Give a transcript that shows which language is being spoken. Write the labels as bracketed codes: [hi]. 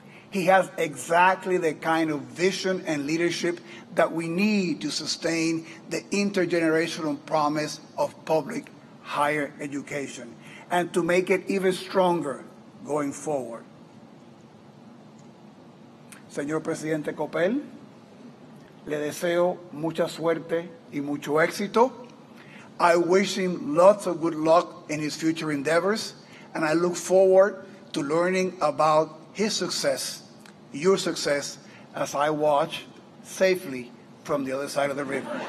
[en] He has exactly the kind of vision and leadership that we need to sustain the intergenerational promise of public higher education and to make it even stronger going forward. [es] Señor Presidente Koppell, le deseo mucha suerte y mucho éxito. [en] I wish him lots of good luck in his future endeavors, and I look forward to learning about his success, your success, as I watch safely from the other side of the river.